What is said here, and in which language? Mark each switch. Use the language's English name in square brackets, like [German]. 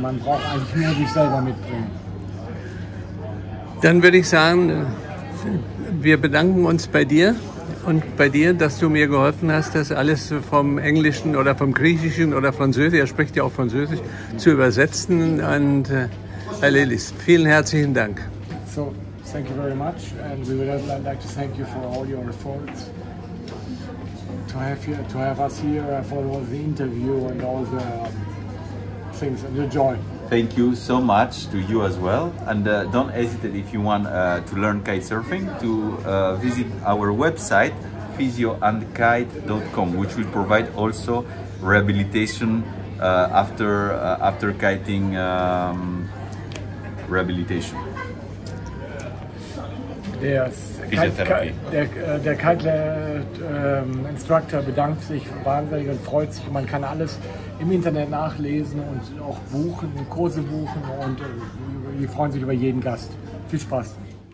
[German] Man braucht eigentlich nur sich selber mitbringen. Dann würde ich sagen, wir bedanken uns bei dir und bei dir, dass du mir geholfen hast, das alles vom Englischen oder vom Griechischen oder Französisch, er spricht ja auch Französisch, zu übersetzen. Und Herr Lelis, vielen herzlichen Dank. [English] So, thank you very much and we would like to thank you for all your efforts to have us here for all the interview and all the things and your joy. Thank you so much to you as well. And don't hesitate if you want to learn kitesurfing to visit our website physioandkite.com, which will provide also rehabilitation after kiting rehabilitation. [German] Der Kite-Instructor bedankt sich wahnsinnig und freut sich. Man kann alles im Internet nachlesen und auch buchen, Kurse buchen und die freuen sich über jeden Gast. Viel Spaß!